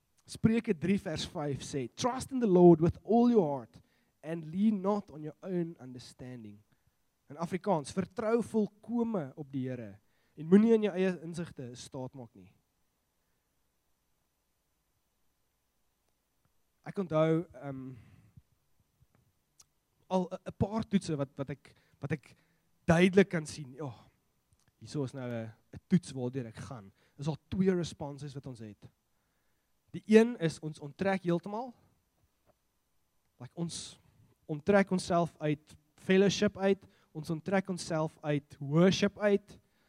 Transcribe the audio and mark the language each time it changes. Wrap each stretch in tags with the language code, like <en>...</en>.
<af>Spreuke 3 vers 5 sê,</af> <en>trust in the Lord with all your heart and lean not on your own understanding.</en> <af>In Afrikaans, vertrou volkome op die Here en moenie in jou eie insigte staat maak nie. Ek onthou al 'n paar toetse wat ek duidelik kan sien. Ja, oh, hierso is nou 'n toets waardeur ek gaan. Is al 2 responses wat ons het. Die een is ons onttrek heeltemal. Like ons onttrek onsself uit fellowship uit. Ons onttrek onsself uit worship uit.</af>